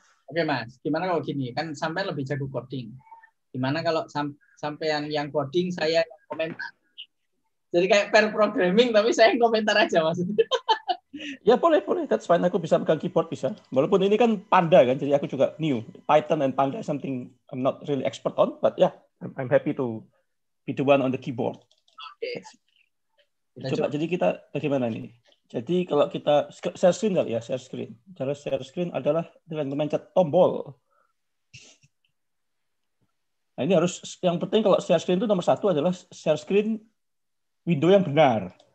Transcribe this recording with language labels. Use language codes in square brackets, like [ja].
[id] Oke Mas, gimana kalau gini? Kan sampean lebih jago coding. Gimana kalau sampean yang coding saya yang komentar? Jadi kayak pair programming tapi saya yang komentar aja Mas. Ya boleh, boleh. [en] That's fine, [id] aku bisa pegang keyboard bisa. Walaupun ini kan Panda kan, jadi aku juga new. [en] Python and Panda something I'm not really expert on, but yeah, I'm happy to be the one on the keyboard. [id] Oke. [en] Okay. [id] Coba jadi kita bagaimana ini? Jadi kalau kita share screen kali ya, share screen. Cara share screen adalah dengan memencet tombol. Nah ini harus, yang penting kalau share screen itu nomor satu adalah share screen window yang benar.